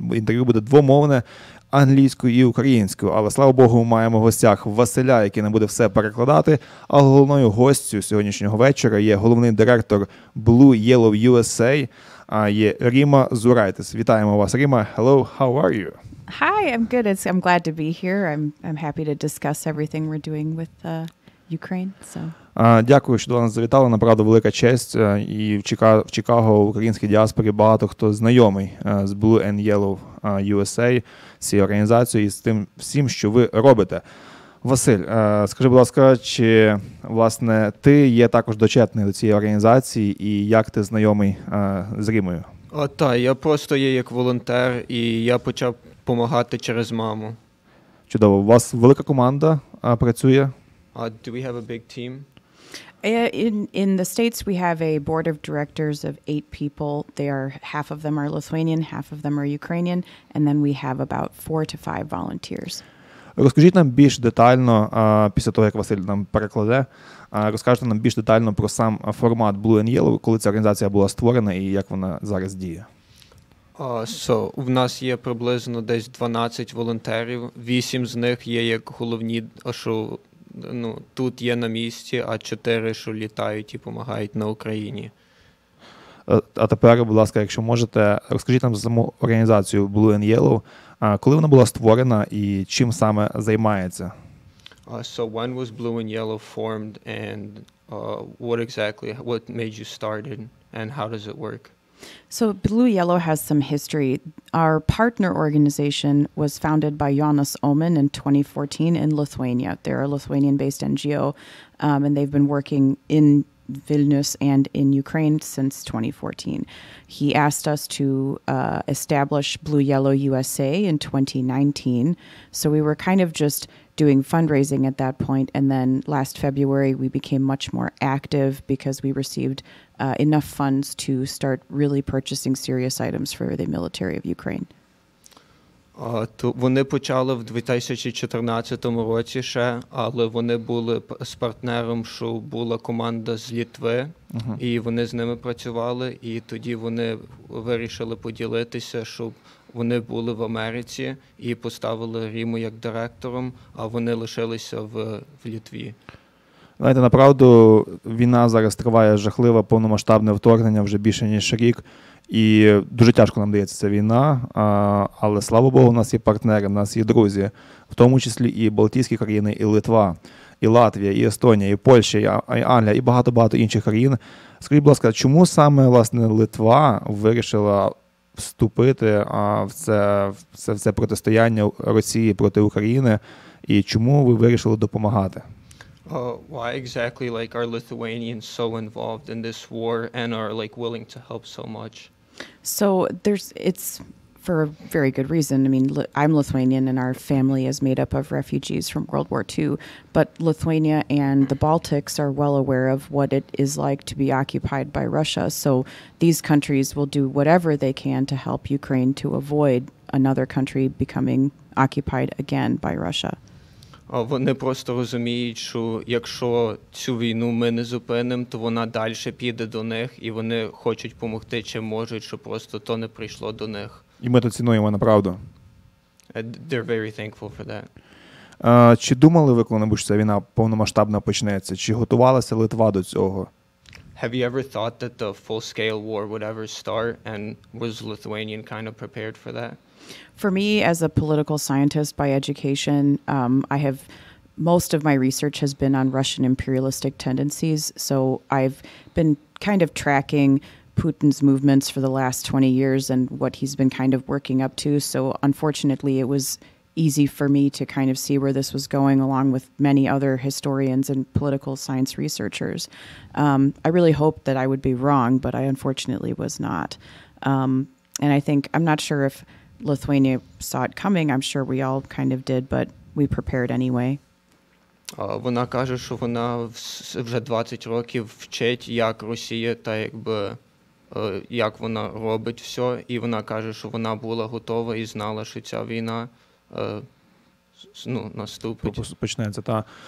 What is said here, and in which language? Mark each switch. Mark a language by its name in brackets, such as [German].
[Ukrainian] Інтерв'ю буде двомовне, англійською і українською. Але, слава Богу, ми маємо в гостях Василя, який нам буде все перекладати. А головною гостю сьогоднішнього вечора є головний директор Blue Yellow USA, є Ріма Зурайтес. Вітаємо вас, Ріма. [English] Hello, how are you? Hi, I'm good. I'm glad to be here. I'm happy to discuss everything we're doing with Ukraine. So. [Ukrainian] Дякую, що до нас завітали. Направду, велика честь. І в Чикаго, в українській діаспорі, багато хто знайомий з Blue and Yellow USA, цією організацією і з тим всім, що ви робите. Василь, скажи, будь ласка, чи, власне, ти є також дочетний до цієї організації і як ти знайомий з Рімою? Так, я просто є як волонтер і я почав помагати через маму. Чудово. У вас велика команда працює? [English] Do we have a big team? In the States we have a board of directors of 8 people. They are half of them are Lithuanian, half of them are Ukrainian, and then we have about 4 to 5 volunteers. [Ukrainian] Розкажіть нам більш детально, після того, як Василь нам перекладе, розкажіть нам більш детально про сам формат Blue and Yellow, коли ця організація була створена і як вона зараз діє. В нас є приблизно десь 12 волонтерів, 8 з них є як головні, що тут є на місці, а 4, що літають і допомагають на Україні. А тепер, будь ласка, якщо можете, розкажіть нам за саму організацію Blue and Yellow, коли вона була створена і чим саме займається? [English] When was Blue and Yellow formed and what made you start and how does it work? So Blue Yellow has some history. Our partner organization was founded by Jonas Omen in 2014 in Lithuania. They're a Lithuanian-based NGO, and they've been working in Vilnius and in Ukraine since 2014. He asked us to establish Blue Yellow USA in 2019. So we were kind of just doing fundraising at that point. And then last February, we became much more active because we received enough funds to start really purchasing serious items for the military of Ukraine. [Ukrainian] То вони почали в 2014 році ще, але вони були з партнером, що була команда з Літви, і вони з ними працювали, і тоді вони вирішили поділитися, щоб вони були в Америці і поставили Ріму як директором, а вони лишилися в Літві. Знаєте, направду, війна зараз триває жахливе, повномасштабне вторгнення вже більше ніж рік. І дуже тяжко нам дається ця війна, але, слава Богу, у нас є партнери, у нас є друзі, в тому числі і Балтійські країни, і Литва, і Латвія, і Естонія, і Польща, і Англія, і багато-багато інших країн. Скажіть, будь ласка, чому саме, власне, Литва вирішила вступити в це протистояння Росії проти України, і чому ви вирішили допомагати? [English] Why exactly like are Lithuanians so involved in this war and are like willing to help so much? So it's for a very good reason. I mean, I'm Lithuanian and our family is made up of refugees from World War II, but Lithuania and the Baltics are well aware of what it is like to be occupied by Russia. So these countries will do whatever they can to help Ukraine to avoid another country becoming occupied again by Russia. [Ukrainian] Вони просто розуміють, що якщо цю війну ми не зупинимо, то вона далі піде до них, і вони хочуть допомогти, чим можуть, щоб просто то не прийшло до них. І ми то цінуємо, направду. [English] They're very thankful for that. [Ukrainian] Чи думали ви коли-небудь, що ця війна повномасштабна почнеться? Чи готувалася Литва до цього? [English] Have you ever thought that the full-scale war would ever start, and was Lithuanian kind of prepared for that? For me, as a political scientist by education, I have most of my research has been on Russian imperialistic tendencies. So I've been kind of tracking Putin's movements for the last 20 years and what he's been kind of working up to. So unfortunately, it was easy for me to kind of see where this was going along with many other historians and political science researchers. I really hoped that I would be wrong, but I unfortunately was not. And I think I'm not sure if Lithuania saw it coming. I'm sure we all kind of did, but we prepared anyway. [Ukrainian] Вона каже, що вона вже 20 років вчить, як Росія та якби як вона робить все, і вона каже, що вона була готова і знала, що ця війна ну, наступить. Почнеться, так.